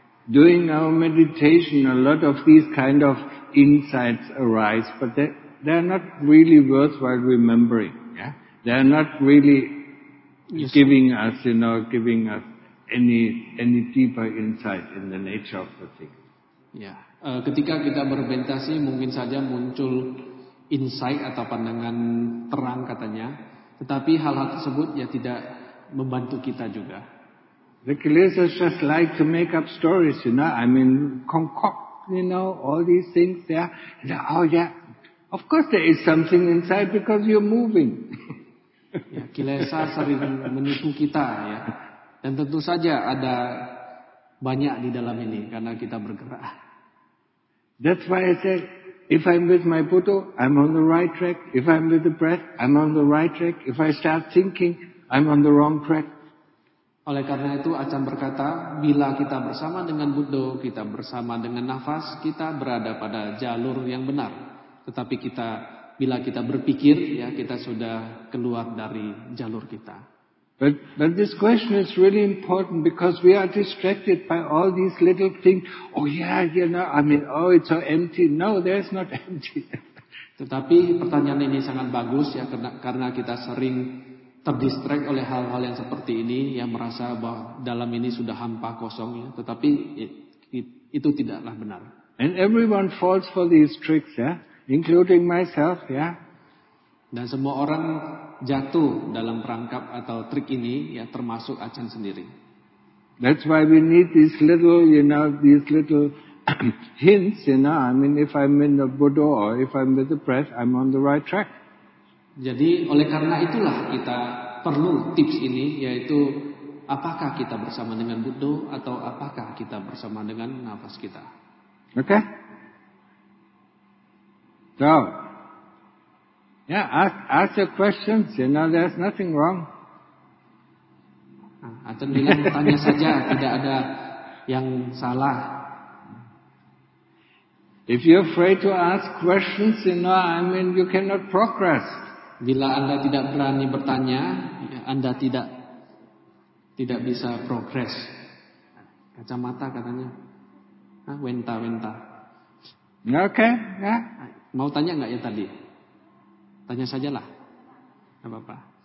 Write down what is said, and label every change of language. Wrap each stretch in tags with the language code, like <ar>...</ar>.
<en>Doing our meditation, a lot of these kind of insights arise, but they are not really worthwhile remembering. Yeah, they are not really giving us, you know, giving us any deeper insight in the nature of the thing.</en> <id>Yeah, ketika kita bermeditasi, mungkin saja muncul insight atau pandangan terang katanya, tetapi hal-hal tersebut ya tidak membantu kita juga.</id> <en>The Kilesas just like to make up stories, you know. I mean, concoct, you know, all these things there. And then, oh yeah, of course there is something inside because you're moving.</en> <id>Ya, Kilesa sering menipu kita, ya. Dan tentu saja ada banyak di dalam ini karena kita bergerak.</id> <en>That's why I said, if I'm with my Buddha, I'm on the right track. If I'm with the breath, I'm on the right track. If I start thinking, I'm on the wrong track.</en> <id>Oleh karena itu Acan berkata, bila kita bersama dengan Buddha, kita bersama dengan nafas, kita berada pada jalur yang benar. Tetapi kita bila kita berpikir, ya kita sudah keluar dari jalur kita.</id> <en>But this question is really important because we are distracted by all these little things. Oh yeah, you know, I mean, oh it's so empty. No, there's not empty.</en> <id>Tetapi pertanyaan ini sangat bagus ya, karena kita sering terdistract oleh hal-hal yang seperti ini, yang merasa bahwa dalam ini sudah hampa kosong, ya. Tetapi itu tidaklah benar.</id> <en>And everyone falls for these tricks, yeah, including myself, yeah.</en> <id>Dan semua orang jatuh dalam perangkap atau trik ini, ya, termasuk Acan sendiri.</id> <en>That's why we need these little, you know, these little hints, you know. I mean, if I'm in the Buddha or if I'm with the breath, I'm on the right track.</en> <id>Jadi oleh karena itulah kita perlu tips ini, yaitu apakah kita bersama dengan Buddha atau apakah kita bersama dengan nafas kita. Oke. Okay.</id> <en>So, yeah, ask your questions. You know, there's nothing wrong.</en> <id>Acan bilang tanya saja, tidak ada yang salah.</id> <en>If you're afraid to ask questions, you know, I mean, you cannot progress.</en> <id>Bila Anda tidak berani bertanya, Anda tidak bisa progres. Kacamata katanya. Hah, wenta. Oke, okay, ya. Yeah. Mau tanya enggak ya tadi? Tanya sajalah. Enggak apa-apa.</id>